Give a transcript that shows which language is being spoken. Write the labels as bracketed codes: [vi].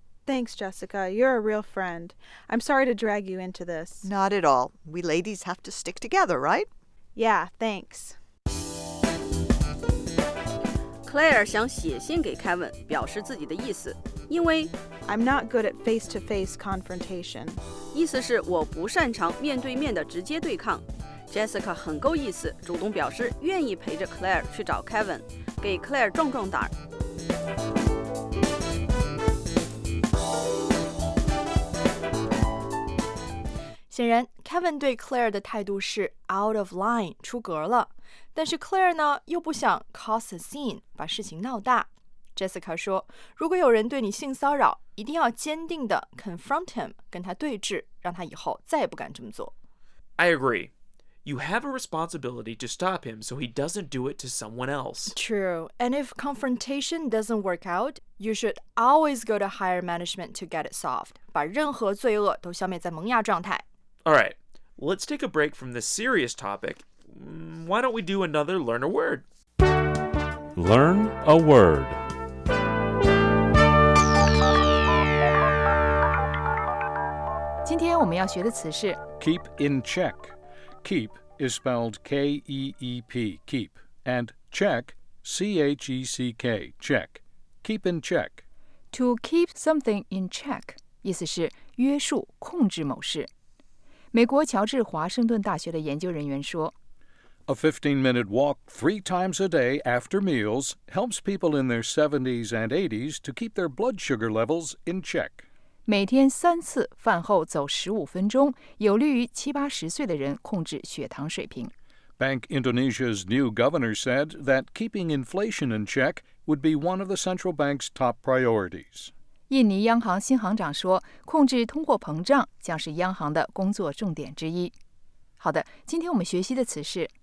[en] Thanks, Jessica. You're a real friend. I'm sorry to drag you into this. Not at all. We ladies have to stick together, right? Yeah, thanks. [zh] Claire 想写信给 Kevin, 表示自己的意思。因为 [en] I'm not good at face-to-face confrontation. [zh] 意思是我不擅长面对面的直接对抗。 Jessica 很够意思，主动表示愿意陪着 Claire 去找 Kevin, 给 Claire 壮壮胆。显然 Kevin 对 Claire 的态度是 [en] out of line, [zh] 出格了。但是 Claire 呢又不想 [en] cause a scene, [zh] 把事情闹大。 Jessica 说，如果有人对你性骚扰，一定要坚定地 [en] confront him, [zh] 跟他对峙，让他以后再也不敢这么做。 [en] I agree. You have a responsibility to stop him so he doesn't do it to someone else. True. And if confrontation doesn't work out, you should always go to higher management to get it solved. [zh] 把任何罪恶都消灭在萌芽状态。 [en] All right. Let's take a break from this serious topic. Why don't we do another Learn a Word? Learn a Word. [zh] 今天我们要学的词是 [en] keep in check. Keep is spelled K-E-E-P, keep. And check, C-H-E-C-K, check. Keep in check. To keep something in check, [zh] 意思是约束、控制某事。美国乔治华盛顿大学的研究人员说 [en] A 15-minute walk three times a day after meals helps people in their 70s and 80s to keep their blood sugar levels in check. [zh] 每天三次饭后走15分钟有利于七八十岁的人控制血糖水平。 [en] Bank Indonesia's new governor said that keeping inflation in check would be one of the central bank's top priorities. [zh] 印尼央行新行长说控制通货膨胀将是央行的工作重点之一。好的，今天我们学习的词是